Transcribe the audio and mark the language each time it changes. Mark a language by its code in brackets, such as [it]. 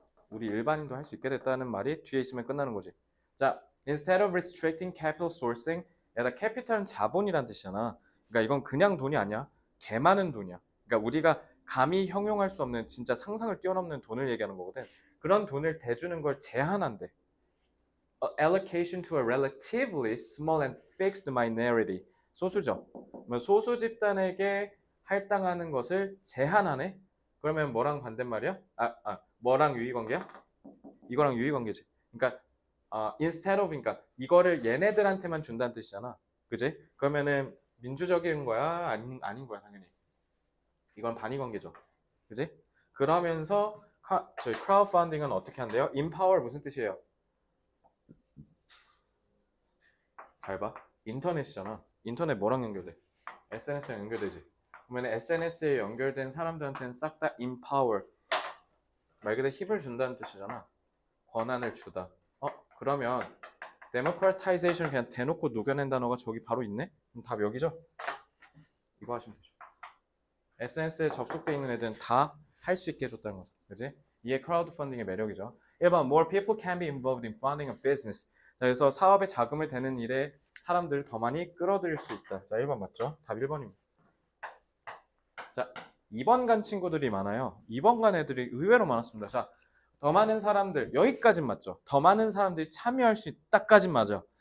[ko] 우리 일반인도 할 수 있게 됐다는 말이 뒤에 있으면 끝나는 거지. 자, [en] instead of restricting capital sourcing, [ko] 얘다 캐피탈은 자본이란 뜻이잖아. 그러니까 이건 그냥 돈이 아니야. 개많은 돈이야. 그러니까 우리가 감히 형용할 수 없는, 진짜 상상을 뛰어넘는 돈을 얘기하는 거거든. 그런 돈을 대주는 걸 제한한대. [en] Allocation to a relatively small and fixed minority. [ko] 소수죠. 소수 집단에게 할당하는 것을 제한하네. 그러면 뭐랑 반대말이야? 뭐랑 유의관계야? 이거랑 유의관계지. 그러니까 [en] instead of, [ko] 그러니까 이거를 얘네들한테만 준다는 뜻이잖아. 그지? 그러면은 민주적인 거야? 아닌 거야, 당연히. 이건 반의관계죠. 그지? 그러면서 저희 크라우드펀딩은 어떻게 한대요? Empower 무슨 뜻이에요? 잘 봐. 인터넷이잖아. 인터넷 뭐랑 연결돼? SNS랑 연결되지. 그러면 SNS에 연결된 사람들한테는 싹 다 empower, 말 그대로 힘을 준다는 뜻이잖아. 권한을 주다. 그러면 democratization 그냥 대놓고 녹여낸 단어가 저기 바로 있네? 그럼 답 여기죠? 이거 하시면 되죠. SNS에 접속돼 있는 애들은 다 할 수 있게 해줬다는 거죠. 그치? 이게 crowdfunding의 매력이죠. [en] 1번, more people can be involved in funding a business. [ko] 자, 그래서 사업에 자금을 대는 일에 사람들을 더 많이 끌어들일 수 있다. 자, 1번 맞죠? 답 1번입니다. 자, 2번 간 친구들이 많아요. 2번 간 애들이 의외로 많았습니다. 자, 더 많은 사람들, 여기까지 맞죠? 더 많은 사람들이 참여할 수 있다까지 맞아.